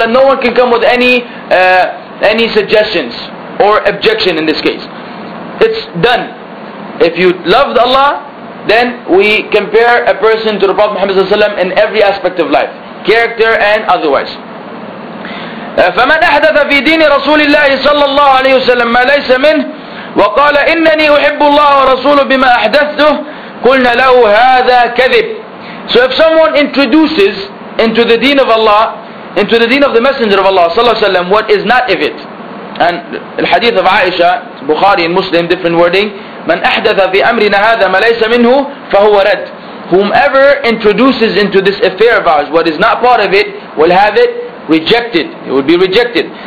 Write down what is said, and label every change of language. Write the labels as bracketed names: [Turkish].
[English] No one can come with any suggestions or objection in this case. It's done. If you loved Allah, then we compare a person to the Prophet Muhammad sallallahu alaihi wasallam in every aspect of life, character and otherwise. [Arabic] فمن أحدث في دين رسول الله صلى الله عليه وسلم ما ليس منه وقال إنني أحب الله ورسوله بما أحدثته قلنا له هذا كذب. [English] So if someone introduces into the deen of Allah, into the deen of the Messenger of Allah [Arabic] صلى الله عليه وسلم, [English] what is not of it, and the hadith of Aisha, Bukhari and Muslim, different wording, [Arabic] من أحدث في أمرنا هذا ما ليس منه فهو رد. [English] Whomever introduces into this affair of ours what is not part of it will have it rejected. It will be rejected.